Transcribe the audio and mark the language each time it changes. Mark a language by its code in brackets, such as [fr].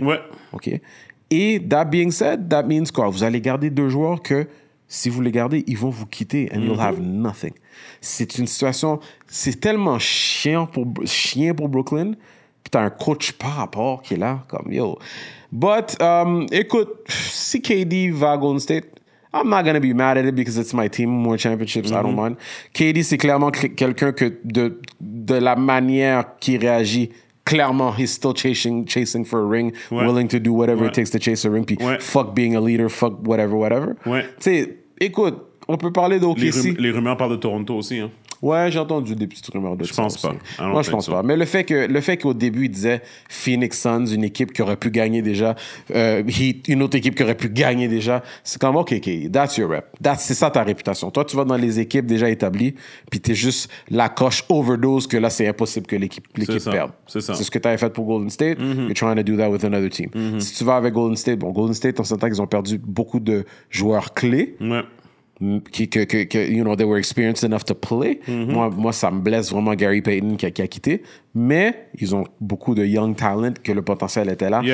[fr] Oui. OK. Et [en] that being said, that means [fr] quoi? Vous allez garder deux joueurs que si vous les gardez, ils vont vous quitter and mm-hmm. [en] You'll have nothing. [fr] C'est une situation, c'est tellement chiant pour Brooklyn. Puis t'as un coach par rapport qui est là, comme yo. [en] But [fr] écoute, si KD va à Golden State, [en] I'm not gonna be mad at it because it's my team, more championships, mm-hmm. I don't mind. [fr] KD c'est clairement quelqu'un que de la manière qu'il réagit. Clairement, [en] he's still chasing for a ring, ouais. Willing to do whatever ouais. It takes to chase a ring. [fr] Puis ouais. [en] Fuck being a leader, fuck whatever. [fr] Ouais. Tu sais, écoute, on peut parler d'OKC. Les rumeurs parlent de Toronto aussi, hein. Ouais, j'ai entendu des petites rumeurs de je pense pas. Moi, je pense pas. Mais le fait qu'au début, il disait Phoenix Suns, une équipe qui aurait pu gagner déjà, Heat, une autre équipe qui aurait pu gagner déjà, c'est comme [en] OK, that's your rep. [fr] C'est ça ta réputation. Toi, tu vas dans les équipes déjà établies, puis t'es juste la coche overdose que là, c'est impossible que l'équipe c'est perde. C'est ça. C'est ce que t'avais fait pour Golden State. Mm-hmm. [en] You're trying to do that with another team. Mm-hmm. [fr] Si tu vas avec Golden State, bon, Golden State, on s'entend qu'ils ont perdu beaucoup de joueurs clés. Ouais. [en] Que, you know, they were experienced enough to play. Mm-hmm. [fr] Moi, ça me blesse vraiment Gary Payton qui a quitté. Mais ils ont beaucoup de [en] young talent [fr] que le potentiel était là.